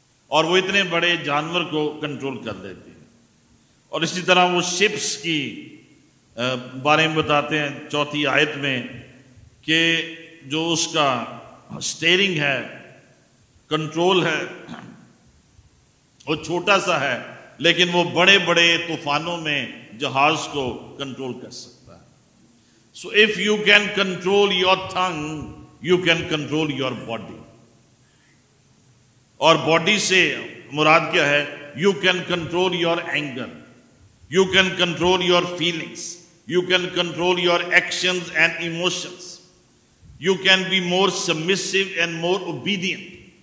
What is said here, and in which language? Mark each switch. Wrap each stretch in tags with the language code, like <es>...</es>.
<ur>اور وہ اتنے بڑے جانور کو کنٹرول کر لیتی ہیں. اور اسی طرح وہ شپس کی بارے میں بتاتے ہیں 4th verse میں کہ جو اس کا سٹیرنگ ہے, کنٹرول ہے, وہ چھوٹا سا ہے لیکن وہ بڑے بڑے طوفانوں میں جہاز کو کنٹرول کر سکتا.</ur> <en>So if you can control your tongue, you can control your body.</en> <ur>اور باڈی سے مراد کیا ہے؟</ur> <en>You can control your anger. You can control your feelings. You can control your actions and emotions. You can be more submissive and more obedient.</en>